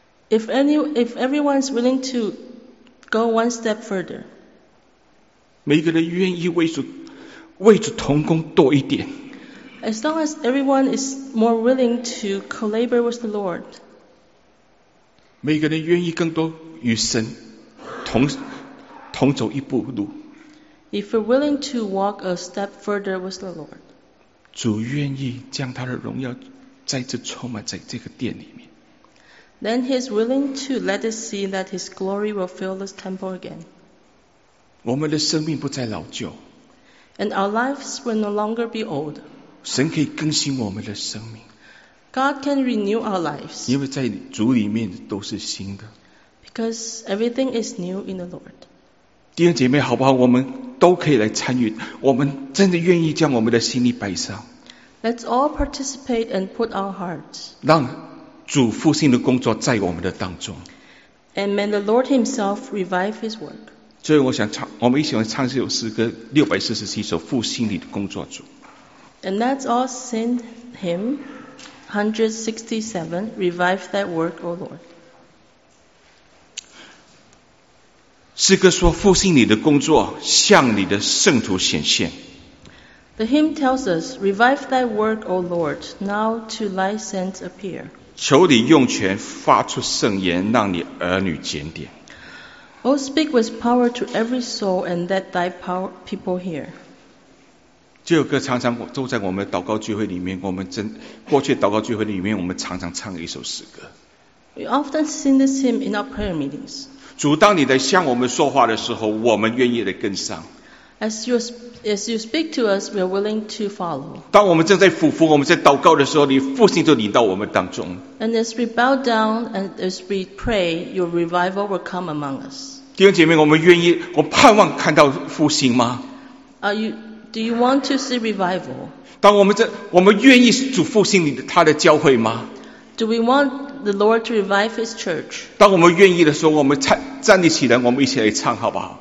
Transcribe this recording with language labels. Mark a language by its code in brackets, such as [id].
[en] If everyone is willing to go one step further. [zh] 每一个人愿意为主同工多一点。 [en] As long as everyone is more willing to collaborate with the Lord. [zh] 每一个人愿意更多与神同走一步路。 [en] If you're willing to walk a step further with the Lord. [zh] 主愿意将他的荣耀再次充满在这个殿里面。 [en] Then he's willing to let us see that his glory will fill this temple again. [zh] 我们的生命不再老旧。 [en] And our lives will no longer be old. [zh] 神可以更新我们的生命。 [en] God can renew our lives. [zh] 因为在主里面都是新的。 [en] Because everything is new in the Lord. [zh] 弟兄姐妹，好不好？我们都可以来参与，我们真的愿意将我们的心力摆上。 [en] Let's all participate and put our hearts. [zh] 让主复兴的工作在我们的当中。 [en] And may the Lord himself revive his work. [zh] 所以我想唱，我们一起来唱这首诗歌647首复兴里的工作主。 [en] And let's all sing hymn 167, Revive That Work, O Lord. [zh] 诗歌说复兴你的工作向你的圣徒显现。 [en] The hymn tells us, Revive thy work, O Lord, now to thy saints appear. [zh] 求你用权发出圣言让你儿女检点。 [en] O speak with power to every soul and let thy power, people hear. [zh] 这首歌常常都在我们祷告聚会里面，过去祷告聚会里面我们常常唱一首诗歌。 [en] We often sing this hymn in our prayer meetings. [zh] 主，当你在向我们说话的时候，我们愿意的跟上。 [en] As you speak to us, we are willing to follow. [zh] 当我们正在俯伏，我们在祷告的时候，你复兴就临到我们当中。 [en] And as we bow down and as we pray, your revival will come among us. [zh] 弟兄姐妹，我们愿意，我盼望看到复兴吗？ [en] Do you want to see revival? [zh] 当我们愿意主复兴你的他的教会吗？ [en] Do we want the Lord to revive His church? [zh] 当我们愿意的时候，我们站立起来，我们一起来唱，好不好？